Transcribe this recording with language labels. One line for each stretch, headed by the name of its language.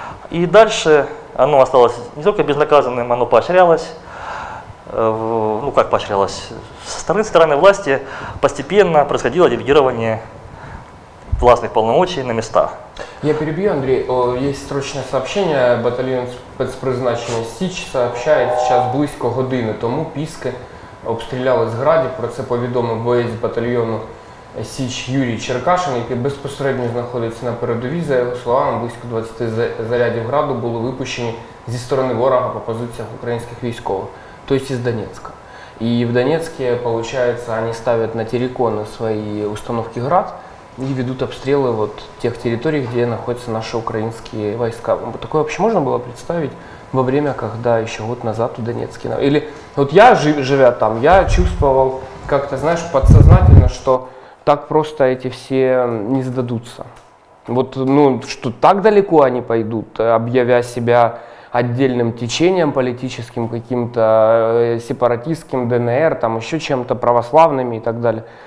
Russian: И дальше оно осталось не только безнаказанным, оно поощрялось. Ну, как поощрялось? Со стороны власти постепенно происходило делегирование властных полномочий на места. Я перебью, Андрей. Есть срочное сообщение.
Ukrainian: Батальйон спецпризначення «Січ»
Russian: сообщает, сейчас
Ukrainian: близько години тому піски обстріляли з Граді. Про це повідомив боєць батальйону «Січ» Юрій Черкашин, який безпосередньо знаходиться на передовій. За його словами, близько 20 зарядів граду були випущені зі сторони ворога по позиціях українських військових, тобто з Донецька. І в Донецькі, виходить, вони ставлять на терикони свої установки град і ведуть обстріли от тих територій, де знаходяться наші українські війська. Таке взагалі можна було представити
Russian: во время,
Ukrainian: коли ще
Russian: год назад
Ukrainian: у Донецькі?
Russian: Или от я, живя там, я чувствовал как-то, знаєш, подсознательно, що так просто эти все не сдадутся. Вот, ну, что так далеко они пойдут, объявя себя отдельным течением политическим, каким-то сепаратистским, ДНР, там еще чем-то православными и так далее.